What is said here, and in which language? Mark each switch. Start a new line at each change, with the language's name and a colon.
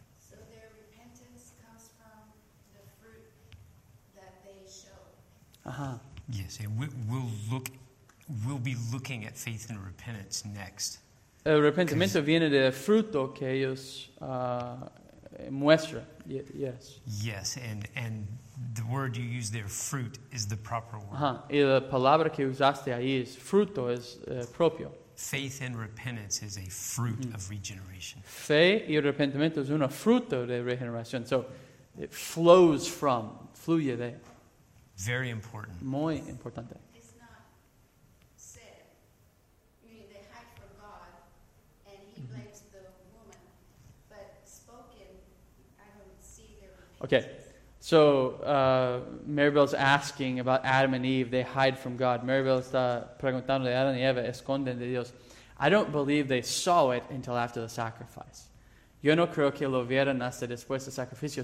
English: So their repentance comes from the fruit that they show. Uh-huh. Yes, and we'll be looking at faith and repentance next.
Spanish: El arrepentimiento viene del fruto que ellos muestran.
English: Yes. Yes, and the word you use there, fruit, is the proper word. Uh-huh.
Spanish: Y la palabra que usaste ahí es fruto, es propio.
English: Faith and repentance is a fruit of regeneration.
Spanish: Fe y arrepentimiento es una fruto de regeneración.
English: So it flows from,
Spanish: fluye de.
English: Very important.
Spanish: Muy importante.
English: It's not sin. You mean they hide from God and he blames the woman. But spoken, I don't see their repentance. Okay. So, Maribel's asking about Adam and Eve. They hide from God.
Spanish: Maribel está preguntando de Adam y Eva, esconden de Dios.
English: I don't believe they saw it until after the sacrifice.
Spanish: Yo no creo que lo vieran hasta después del sacrificio.